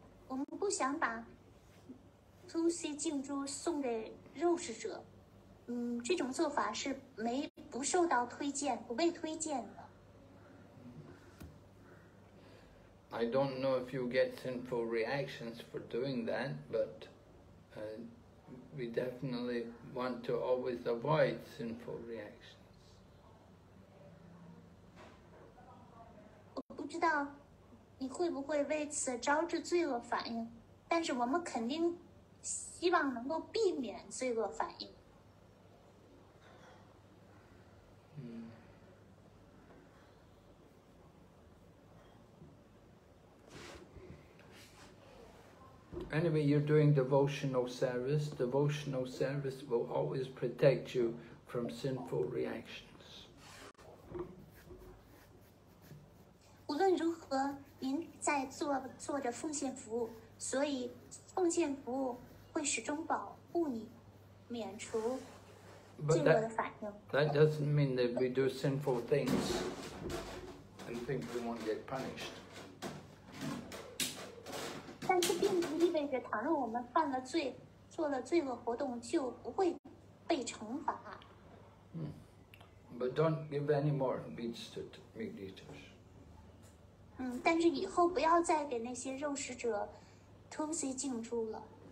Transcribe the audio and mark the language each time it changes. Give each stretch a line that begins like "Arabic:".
Chinese: 我们不想把 Tusi 净珠送给肉食者，这种做法是不受到推荐，不被推荐的。
English: I don't know if you get sinful reactions for doing that, but we definitely want to always avoid sinful reactions.
Chinese: 我不知道。你会不会为此招致罪恶反应？但是我们肯定希望能够避免罪恶反应。
English: Anyway, you're doing devotional service. Devotional service will always protect you from sinful reactions.
Chinese: 无论如何。您在做着奉献服务，所以奉献服务会始终保护你，免除罪恶的反应。
English: That doesn't mean that we do sinful things and think we won't get punished.
Chinese: 但是并不意味着，倘若我们犯了罪，做了罪恶活动，就不会被惩罚。
English: But don't give any more meats to meat eaters.
Chinese: 但是以后不要再给那些肉食者 Tusi 净珠了。